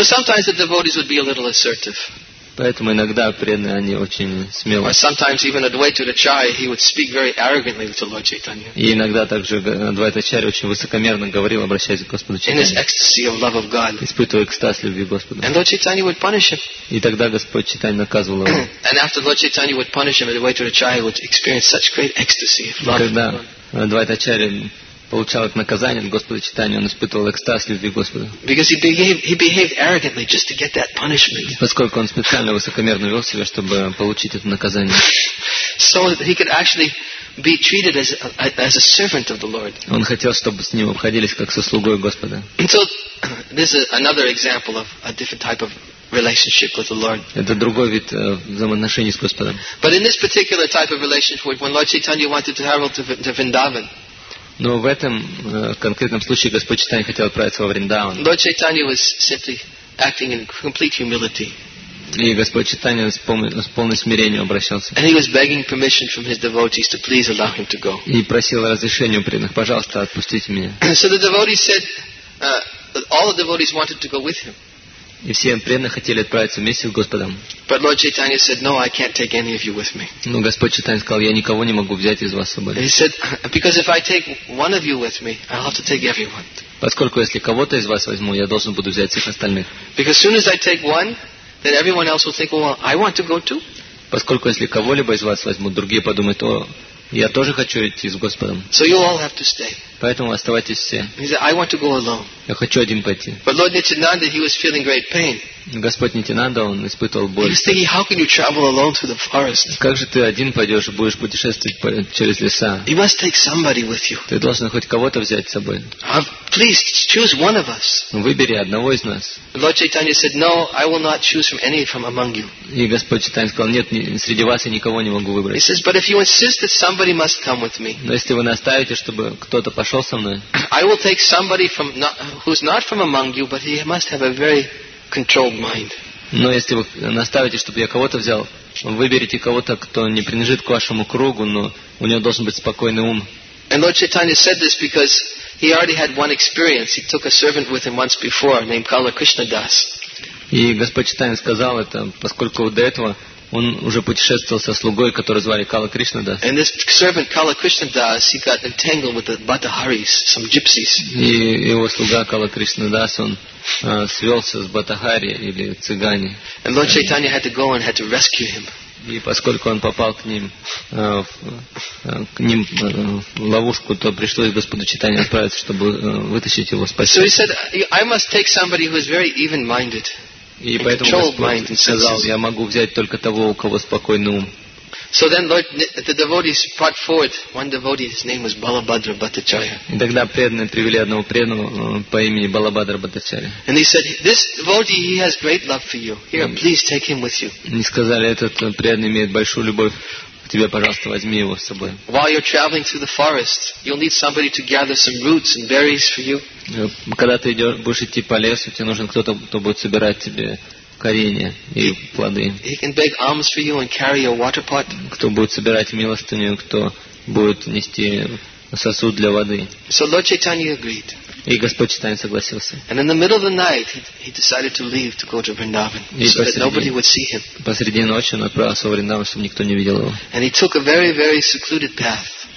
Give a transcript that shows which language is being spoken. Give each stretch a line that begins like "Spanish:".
English: So sometimes the devotees would be a little assertive.
Russian: Поэтому иногда преданные они очень смелые.
English: Or sometimes even Advaita Acharya he would speak very arrogantly to Lord Chaitanya.
Russian: И иногда также Адвайта Ачарья очень высокомерно говорил, обращаясь к Господу Читанья.
English: In his ecstasy of love of God.
Russian: Испытывая экстаз любви Господа.
English: And Lord Chaitanya would punish him.
Russian: И тогда Господь Читанья наказывал его.
English: And after Lord Chaitanya would punish him, Advaita Acharya would experience such great ecstasy of love.
Russian: Когда Адвайта Ачарья получал это наказание от Господа Читания, он испытывал экстаз любви Господа.
English: Because he behaved arrogantly just to get that punishment.
Russian: Поскольку он специально высокомерно вел себя, чтобы получить это наказание.
English: So he could actually be treated as a servant of the Lord.
Russian: Он хотел, чтобы с ним обходились как со слугой Господа.
English: So this is another example of a different type of relationship with the Lord.
Russian: Это другой вид взаимоотношений с Господом.
English: But in this particular type of relationship, when Lord Chaitanya wanted to travel to Vrindavan.
Russian: Но в этом конкретном случае Господь Чайтанья хотел отправиться во Вриндаван.
English: Lord Chaitanya was simply acting in complete humility.
Russian: И Господь Чайтанья с полным смирением обращался.
English: And he was begging permission from his devotees to please allow him to go.
Russian: И просил разрешения у преданных, пожалуйста, отпустите меня.
English: So the devotees said, all the devotees wanted to go with him.
Russian: И все преданные хотели отправиться вместе с Господом.
English: But Lord Chaitanya said, "No, I can't take any of you with me."
Russian: Но Господь Чайтанья сказал, я никого не могу взять из вас с собой.
English: He said, "Because if I take one of you with me, I'll have to take everyone."
Russian: Поскольку если кого-то из вас возьму, я должен буду взять всех остальных.
English: Because as soon as I take one, then everyone else will think, "Well, I want to go too."
Russian: Поскольку если кого-либо из вас возьму, другие подумают, о, я тоже хочу идти с Господом.
English: So you all have to stay.
Russian: Поэтому оставайтесь все.
English: He said, "I want to go alone."
Russian: Я хочу один пойти.
English: But Lord Nityananda, he was feeling great pain.
Russian: Господь Нитинанда, он испытывал боль.
English: He was thinking, how can you travel alone through the forest?
Russian: Как же ты один пойдешь и будешь путешествовать через леса?
English: You must take somebody with you.
Russian: Ты должен хоть кого-то взять с собой.
English: Please choose one of us.
Russian: Выбери одного из нас.
English: Lord Chaitanya said, no, I will not choose from any from among you.
Russian: И Господь Чайтанья сказал, нет, среди вас я никого не могу выбрать.
English: He says, but if you insist that somebody must come with me.
Russian: Но если вы настаиваете, чтобы кто-то пошел со мной.
English: I will take somebody from who's not from among you, but he must have a very controlled mind.
Russian: Но если вы настаиваете, чтобы я кого-то взял, выберите кого-то, кто не принадлежит к вашему кругу, но у него должен быть спокойный ум.
English: And Lord Chaitanya said this because he already had one experience. He took a servant with him once before, named Kala Krishna Das.
Russian: И Господь Чайтанья сказал это, поскольку до этого он уже путешествовал со слугой, которого звали Кала Кришна Дас.
English: And this servant Kala Krishna Das, he got entangled with the Bataharis, some gypsies.
Russian: И его слуга Кала Кришна Дас, он свелся с Батахари или цыгане.
English: And Lord Chaitanya had to go and had to rescue him.
Russian: И поскольку он попал к ним в ловушку, то пришлось Господу Чайтанье отправиться, чтобы вытащить его, спасти.
English: So he said, I must take somebody who is very even-minded.
Russian: И поэтому Господь сказал, я могу взять только того, у кого спокойный ум.
English: So then Lord, the devotees brought forward one devotee, his name was Balabhadra Bhattacharya.
Russian: И тогда преданные привели одного преданного по имени Балабхадра Бхаттачарья.
English: And he said, this devotee, he has great love for you. Here, please take him with you.
Russian: И сказали, этот преданный имеет большую любовь к тебе, пожалуйста, возьми его с собой.
English: While you're traveling through the forest, you'll need somebody to gather some roots and berries for you.
Russian: Когда ты будешь идти по лесу, тебе нужен кто-то, кто будет собирать тебе коренья и плоды.
English: He can beg alms for you and carry your water pot.
Russian: Кто будет собирать милостыню, кто будет нести сосуд для воды.
English: So Lord Chaitanya agreed.
Russian: И Господь Чайтанья согласился.
English: And in the middle of the night, he decided to leave to go to Vrindavan, so that nobody would see him.
Russian: Посреди ночи он отправился в Вриндаван, чтобы никто не видел его.
English: And he took a very, very secluded path.